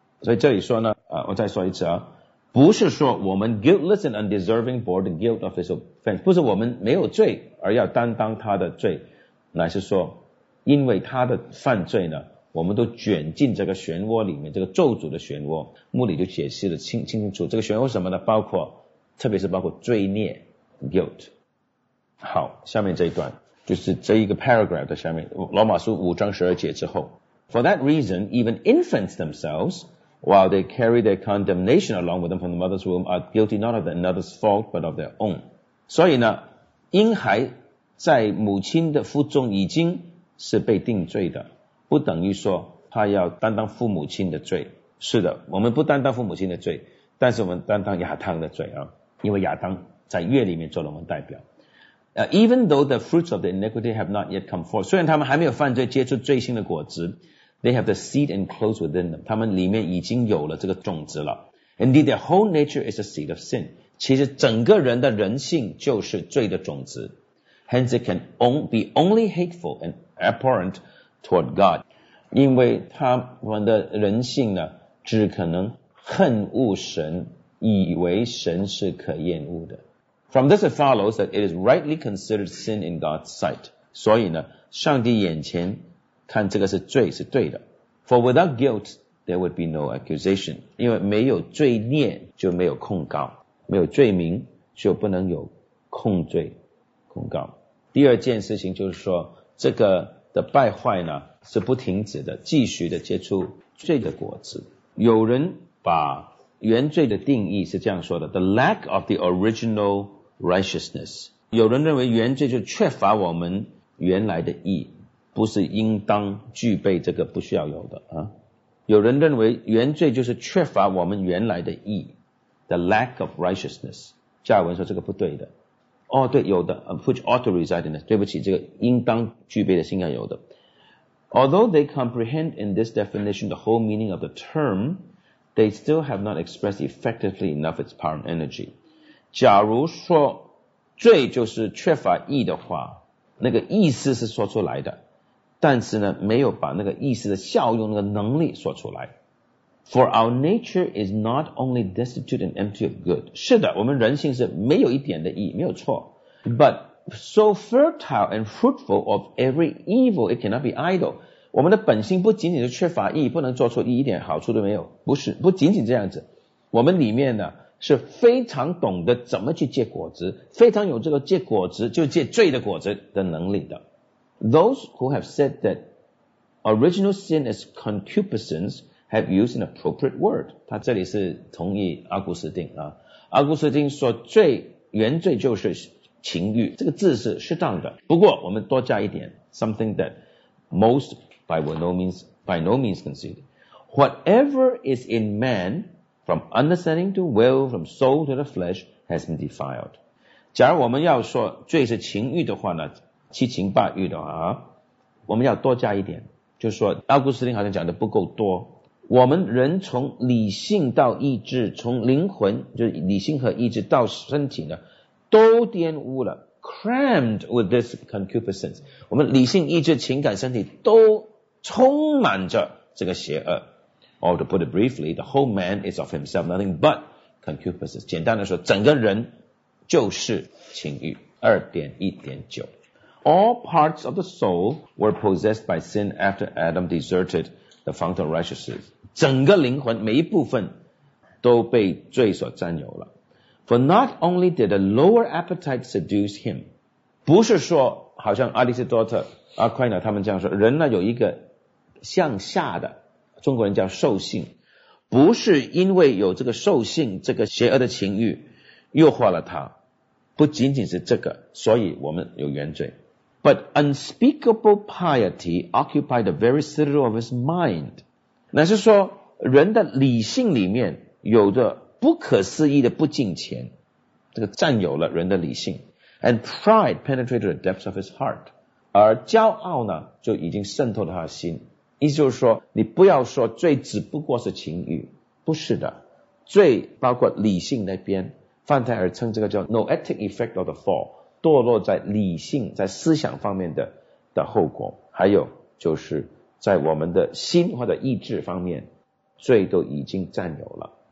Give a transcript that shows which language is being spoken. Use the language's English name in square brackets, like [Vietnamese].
[Chinese] 所以这里说呢，我再说一次啊，不是说我们 [English] guiltless and undeserving bore the guilt of his offense， [Chinese] 不是我们没有罪而要担当他的罪，乃是说因为他的犯罪呢，我们都卷进这个漩涡里面，这个咒诅的漩涡。牧里就解释了清楚这个漩涡什么呢，包括特别是包括罪孽 guilt。好，下面这一段就是这一个 paragraph 的下面，罗马书五章十二节之后， [English] For that reason even infants themselves while they carry their condemnation along with them from the mother's womb are guilty not of another's fault but of their own。 [Chinese] 所以呢，婴孩在母亲的腹中已经是被定罪的，不等于说他要担当父母亲的罪。是的，我们不担当父母亲的罪，但是我们担当亚当的罪啊，因为亚当在月里面做了我们代表。 [English] Even though the fruits of the iniquity have not yet come forth， [Chinese] 虽然他们还没有犯罪，结出罪性的果子， [English] they have the seed enclosed within them， [Chinese] 他们里面已经有了这个种子了。 [English] Indeed their whole nature is a seed of sin， [Chinese] 其实整个人的人性就是罪的种子。 [English] Hence it can be only hateful and abhorrent toward God， [Chinese] 因为他们的人性呢，只可能恨恶神，以为神是可厌恶的。 [English] From this it follows that it is rightly considered sin in God's sight， [Chinese] 所以呢，上帝眼前看这个是罪是对的。 [English] For without guilt there would be no accusation， [Chinese] 因为没有罪孽就没有控告，没有罪名就不能有控罪控告。第二件事情就是说，这个的败坏呢是不停止的，继续的结出罪的果子。有人把原罪的定义是这样说的， [English] The lack of the original righteousness， [Chinese] 有人认为原罪就缺乏我们原来的义，不是应当具备这个不需要有的啊。有人认为原罪就是缺乏我们原来的义， [English] The lack of righteousness， [Chinese] 加尔文说这个不对的。哦，对，有的 ， [English] which ought to reside in us， [Chinese] 对不起，这个应当具备的是应该有的。 [English] Although they comprehend in this definition the whole meaning of the term， they still have not expressed effectively enough its power and energy。 [Chinese] 假如说罪就是缺乏义的话，那个意思是说出来的，但是呢，没有把那个意思的效用、那个能力说出来。 [English] For our nature is not only destitute and empty of good， [Chinese] 是的，我们人性是没有一点的义，没有错。 [English] But so fertile and fruitful of every evil it cannot be idle， [Chinese] 我们的本性不仅仅是缺乏义，不能做出义，一点好处都没有，不是，不仅仅这样子，我们里面呢是非常懂得怎么去结果子，非常有这个结果子就结罪的果子的能力的。 [English] Those who have said that original sin is concupiscence have used an appropriate word， [Chinese] 他这里是同意阿古斯丁啊。阿古斯丁说罪原罪就是情欲，这个字是适当的。不过我们多加一点 [English] something that most by no means conceded. Whatever is in man, from understanding to will, from soul to the flesh, has been defiled. [Chinese] 假如我们要说罪是情欲的话呢，七情八欲的话，我们要多加一点，就说奥古斯丁好像讲的不够多。我们人从理性到意志，从灵魂就是理性和意志到身体呢，都玷污了 [English] crammed with this concupiscence， [Chinese] 我们理性意志情感身体都充满着这个邪恶。 [English] Or to put it briefly, the whole man is of himself nothing but concupiscence， [Chinese] 简单的说整个人就是情欲。 [English] 2.1.9 All parts of the soul were possessed by sin after Adam deserted the fount of righteousness， [Chinese] 整个灵魂每一部分都被罪所占有了。 [English] For not only did a lower appetite seduce him， [Chinese] 不是说好像阿里斯多特阿奎那他们这样说，人呢有一个向下的，中国人叫兽性，不是因为有这个兽性，这个邪恶的情欲诱惑了他，不仅仅是这个，所以我们有原罪。 [English] But unspeakable piety occupied the very citadel of his mind， [Chinese] 那是说人的理性里面有着不可思议的不敬虔，这个占有了人的理性。 [English] And pride penetrated the depths of his heart， [Chinese] 而骄傲呢就已经渗透了他的心。意思就是说，你不要说罪只不过是情欲，不是的，罪包括理性那边。范泰尔称这个叫 [English] noetic effect of the fall， [Chinese] 堕落在理性在思想方面 的后果。还有就是在我们的心或者意志方面，罪都已经占有了。